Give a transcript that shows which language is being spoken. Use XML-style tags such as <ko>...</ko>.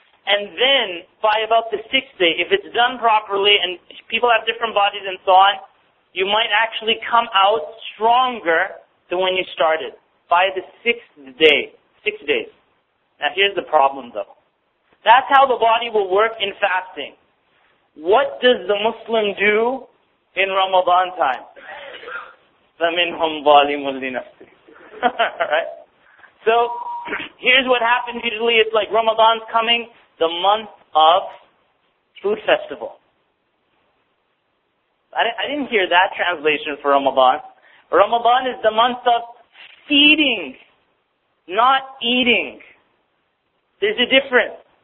<en>And then, by about the sixth day, if it's done properly, and people have different bodies and so on, you might actually come out stronger than when you started. By the sixth day. 6 days. Now here's the problem though. That's how the body will work in fasting. What does the Muslim do in Ramadan time?</en> <ar>فَمِنْهُمْ ظَالِمٌ لِنَفْسِهِ</ar> <en>Right? So, here's what happens usually. It's like Ramadan's coming, the month of food festival. I didn't hear that translation for Ramadan. Ramadan is the month of feeding, not eating. There's a difference.</en>